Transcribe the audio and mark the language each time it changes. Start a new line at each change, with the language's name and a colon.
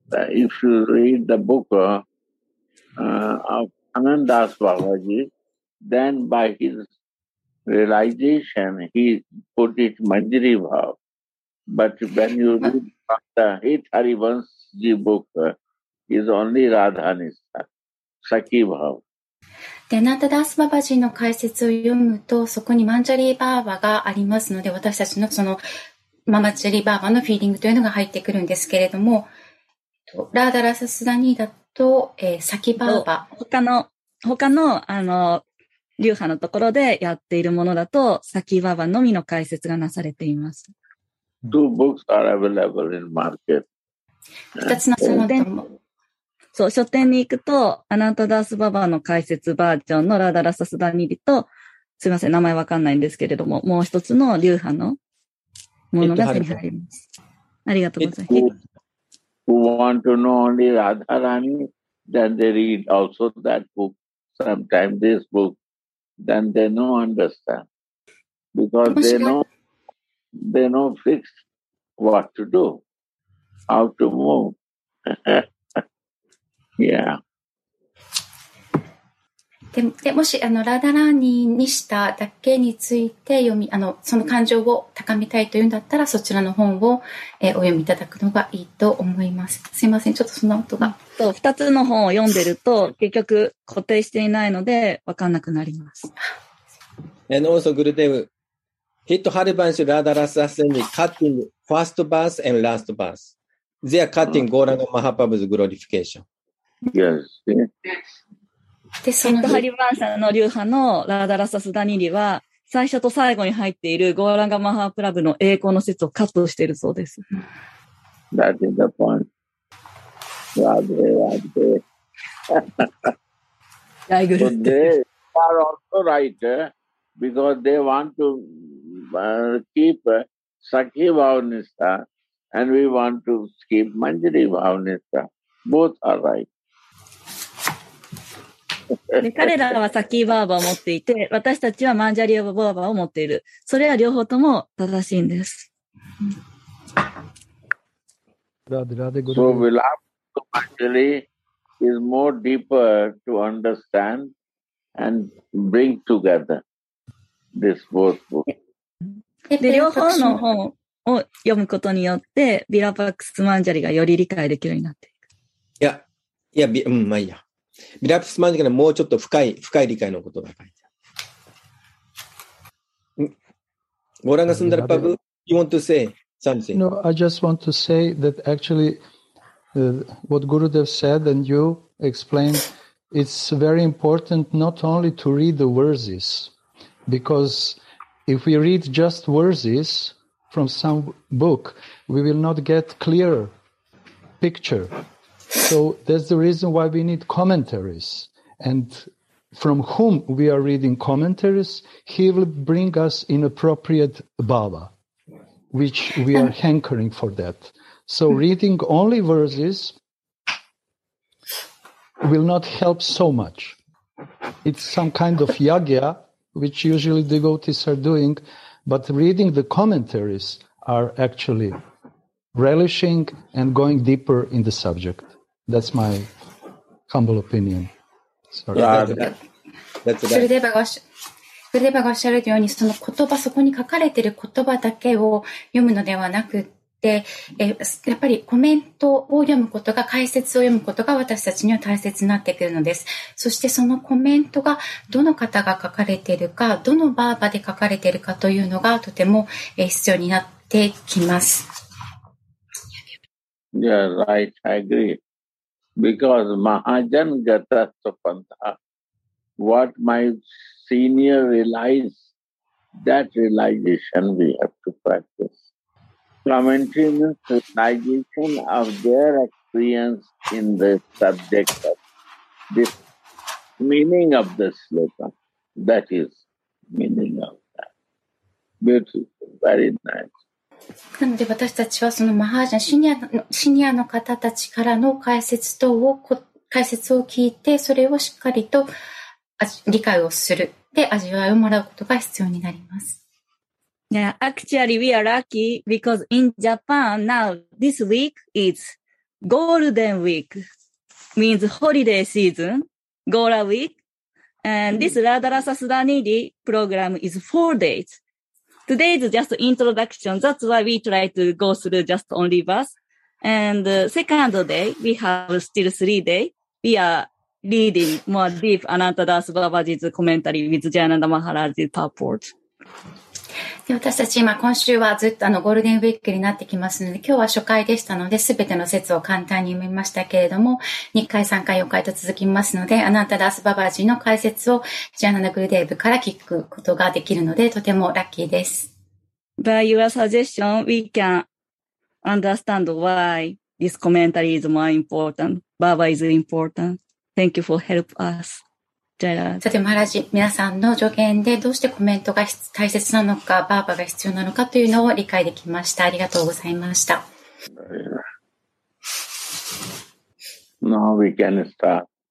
English: If you read the book of Anandas Babaji, then by his realization, he put it Manjari Bhav. But when you read the Hit Harivansji book, it's only Radha Nista, Sakhi Bhav.
Japanese: で、ナタダース・ババジーの解説を読むと、そこにマンジャリー・バーバがありますので、私たちのそのママジャリー・バーバのフィーリングというのが入ってくるんですけれども、ラーダラサスダニーだと、サキバーバ。他の、流派のところでやっているものだと、サキバーバのみの解説がなされています。
English: Two books are available in market.
Japanese: 二つのその伝も。そう、書店に行くと、アナタダースババの解説バージョンのラダラサスダニリと、すみません、名前わかんないんですけれども、もう一つの流派のものが手に入ります。ありがとうございます。
English: Who want to know only Radharani, then they read also that book, sometime this book, then they know understand. Because they know fixed what to do, how to move. Yeah.
Japanese: でもしラダラーニーにしただけについて読みその感情を高めたいというんだったらそちらの本を、お読みいただくのがいいと思います。すいません、ちょっとその音が 2つの本を読んでると結局固定していないので分かんなくなります。
English: And also Gurudev Hit Haribansh Radharasa Sendi Cutting First Verse and Last Verse They are cutting Gauranga Mahaprabhu's glorification Yes.
Japanese: ヒットハリバンさんの流派のラーダラサスダニリは最初と最後に入っているゴーランガマハープラブの栄光の説をカットしているそうです。
English: That is the point. Radhe
Japanese: ダイグル
English: って They are also right because they want to keep Sakhi Bhavanista and we want to keep Manjari Bhavanista. Both are right.
Japanese: で彼らはサキーバーバを持っていて私たちはマンジャリアバーバを持っている。それは両方とも正しいんです。
English: So Vilapa Manjali is more deeper to understand and bring together this both book.
Japanese: で両方の本を読むことによってビラパクスマンジャリがより理解できるようになっていく。いや、うん、まあいいや。ビラプスマンジャリはもうちょっと深い理解のことが書いてある。
English: ゴーランガスンダラパブ、you want to say something? No, I just want to say that actually, what Gurudev said and you explained, it's very important not only to read the verses, because if we read just verses from some book, we will not get clearer picture. So that's the reason why we need commentaries. And from whom we are reading commentaries, he will bring us inappropriate bhava, which we are hankering for that. So reading only verses will not help so much. It's some kind of yagya, which usually devotees are doing, but reading the commentaries are actually relishing and going deeper in the subject. That's my humble opinion. Sorry.
Japanese: それではおっしゃるように、その言葉、そこに書かれている言葉だけを読むのではなくて、やっぱりコメントを読むことが、解説を読むことが私たちには大切になってくるのです。そしてそのコメントがどの方が書かれているか、どのバーバで書かれているかというのがとても必要になってきます。
English: Yeah, right. I agree.Because Mahajan Gata Sopanta what my senior realized, that realization we have to practice. Commentary's realization of their experience in the subject of the meaning of the sloka, that is meaning of that. Beautiful, very nice.
Japanese: なので私たちはそのマハージャン、シニアの方たちからの解説等を、解説を聞いて、それをしっかりと理解をする。で、味わいをもらうことが必要になります。
English: Yeah, actually, we are lucky because in Japan now, this week is Golden Week, means holiday season, Gola Week, and this Radarasa Sudaniri program is 4 days. Today is just introduction. That's why we try to go through just only verse. And second day, we have still 3 days. We are reading more deep Ananta Das Babaji's commentary with Jayananda Maharaj's purport.
Japanese: 私たち今、今週はずっとゴールデンウィークになってきますので、今日は初回でしたので、すべての説を簡単に読みましたけれども、2回、3回、4回と続きますので、アナタダースババージの解説をジャーナナグルデーブから聞くことができるので、とてもラッキーです。
English: By your suggestion, we can understand why this commentary is more important. Baba is important. Thank you for help us.
Japanese: さて、マハラジ、皆さんの助言でどうしてコメントが大切なのか、バーバが必要なのかというのを理解できました。ありがとうございました。
English: Now we can start.